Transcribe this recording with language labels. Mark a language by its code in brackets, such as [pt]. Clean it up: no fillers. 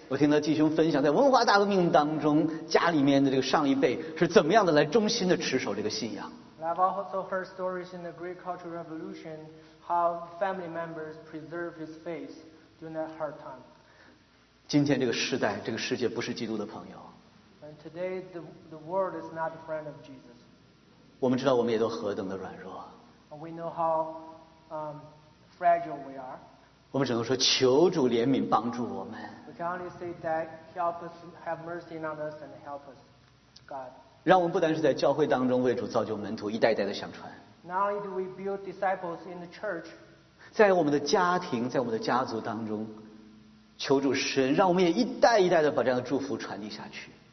[zh] 我听到弟兄分享，在文化大革命当中，家里面的这个上一辈是怎么样的来忠心的持守这个信仰。 [en] I've also heard stories in the Great Cultural Revolution how family members preserve his faith during that hard time. [zh] 今天这个时代，这个世界不是基督的朋友。 [en] And today the world is not a friend of Jesus. [zh] 我们知道我们也都何等的软弱。 [en] We know how fragile we are. [zh] 我们只能说求主怜悯帮助我们。 [en] We can only say that help us have mercy on us and help us, God. [zh] 让我们不单是在教会当中为主造就门徒，一代代的相传。 [en] Not only do we build disciples in the church， [zh] 在我们的家庭，在我们的家族当中，求主施恩，让我们也一代一代的把这样的祝福传递下去。